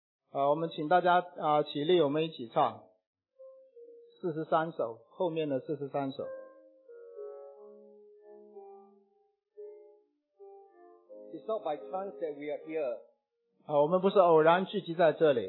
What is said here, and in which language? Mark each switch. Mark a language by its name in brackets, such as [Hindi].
[Chinese] 好，我们请大家起立，我们一起唱43首，后面的43首。 [English] It's not by chance that we are here. [Chinese] 好，我们不是偶然聚集在这里。